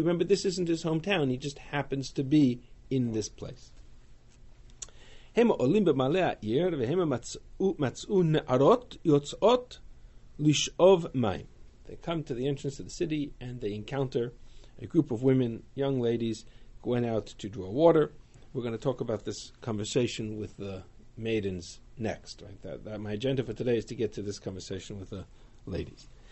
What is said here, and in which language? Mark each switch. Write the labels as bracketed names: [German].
[English] Remember, this isn't his hometown. He just happens to be in this place. [Hebrew] הם עולים במעלה העיר, והם מצאו נערות יוצאות לשאוב מים. [English] They come to the entrance of the city, and they encounter a group of women, young ladies, going out to draw water. We're going to talk about this conversation with the maidens next. Right? That my agenda for today is to get to this conversation with the ladies.